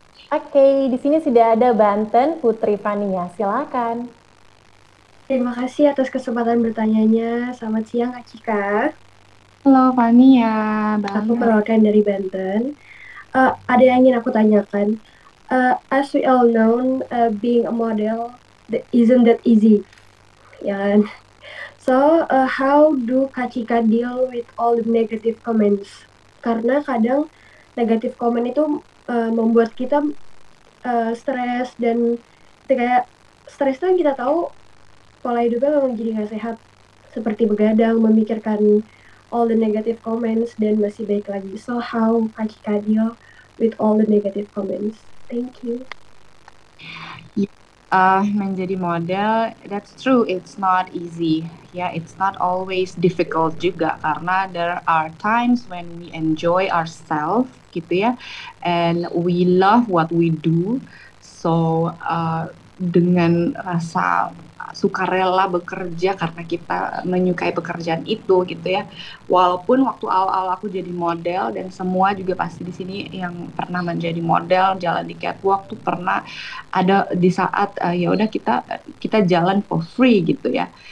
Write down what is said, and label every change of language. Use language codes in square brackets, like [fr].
[id] Oke, okay, di sini sudah ada Banten Putri Fania, silakan. Terima kasih atas kesempatan bertanyanya. Selamat siang Kak Cika. Halo Fania. Aku perwakilan dari Banten. Ada yang ingin aku tanyakan. [en] As we all know, being a model isn't that easy. Yan. So, how do Kak Cika deal with all the negative comments? [id] Karena kadang negative comment itu membuat kita stres, dan kayak stres itu yang kita tahu pola hidupnya memang jadi nggak sehat. Seperti begadang, memikirkan all the negative comments, dan masih baik lagi. [en] So, how Kak Cika deal with all the negative comments? Thank you. Menjadi model, that's true, it's not easy. Yeah, it's not always difficult juga, karena there are times when we enjoy ourselves, gitu ya, and we love what we do. [id] So, dengan rasa sukarela bekerja karena kita menyukai pekerjaan itu, gitu ya. Walaupun waktu awal-awal aku jadi model, dan semua juga pasti di sini yang pernah menjadi model jalan di catwalk tuh pernah ada di saat ya udah kita jalan for free, gitu ya.